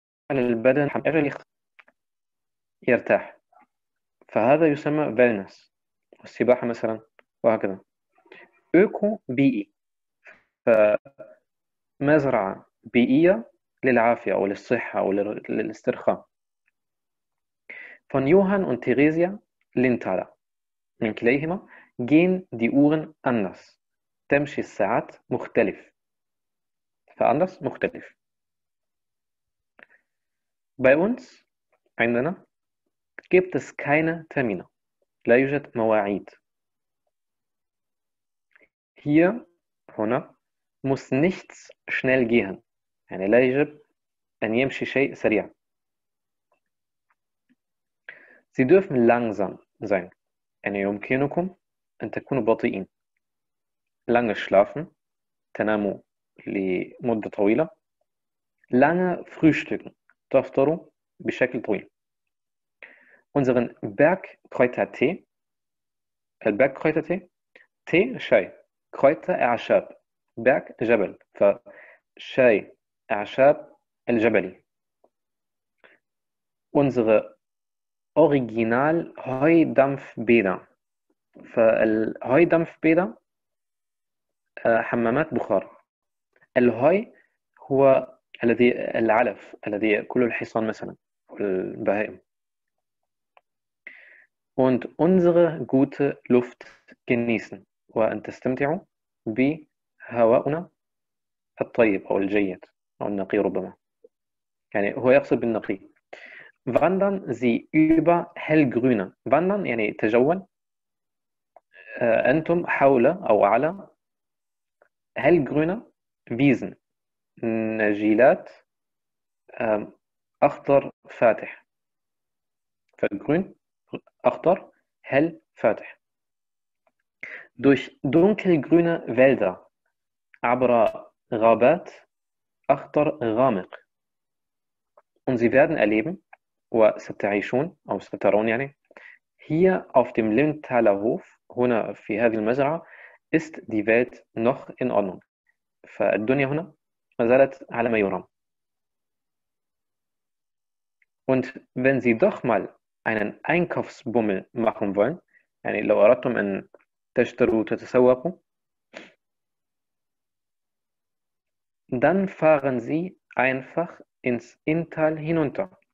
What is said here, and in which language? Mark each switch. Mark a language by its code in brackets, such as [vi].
[ar] البدن يرتاح فهذا يسمى فيلنس والسباحة مثلا وهكذا أوكو بيئي فمزرعة بيئية للعافية أو للصحة أو للاسترخاء. [de] Von Johann und Theresia Lintala. [ar] من كليهما [de] gehen die Uhren anders. [ar] تمشي الساعات مختلف. فأنders مختلف. [de] Bei uns [ar] عندنا [de] gibt es keine Termine. [ar] لا يوجد مواعيد. [de] Hier [ar] هنا [de] muss nichts schnell gehen. [ar] يعني لا يجب أن يمشي شيء سريع. [de] Sie dürfen langsam sein. [ar] أن يمكنكم أن تكونوا بطيئين. [de] Lange schlafen. [ar] تناموا لمدة طويلة. [de] Lange frühstücken. [ar] تفطروا بشكل طويل. [de] Unseren Bergkräutertee. Bergkräutertee. Tee [ar] شاي. Kräuter أعشاب. Berg جبل. فشاي أعشاب الجبلي. [de] Unsere Original Heudampfbäder. [ar] فالهيدامفبيدر حمامات بخار. الهي هو الذي العلف الذي يأكله الحصان مثلا والبهائم. [de] Und unsere gute Luft genießen. [ar] وأن تستمتعوا بهواءنا الطيب أو الجيد أو النقي ربما. يعني هو يقصد بالنقي. [de] Wandern Sie über hellgrüne. [ar] Wandern يعني تجول. أنتم حول أو على [de] hellgrüne Wiesen. [ar] نجيلات أخضر فاتح. فالgrün أخضر hell فاتح. [de] Durch dunkelgrüne Wälder. [ar] عبر غابات أخضر غامق. [de] Und Sie werden erleben [ar] وستعيشون أو سترون يعني هي [de] auf dem Lintaler Hof [ar] هنا في هذه المزرعة [de] ist die Welt noch in Ordnung. [ar] فالدنيا هنا ما زالت على ما يرام. [de] Und wenn Sie doch mal einen Einkaufsbummel machen wollen, [ar] يعني لو أردتم أن تشتروا وتتسوقوا, [de] dann fahren Sie einfach ins Inntal hinunter.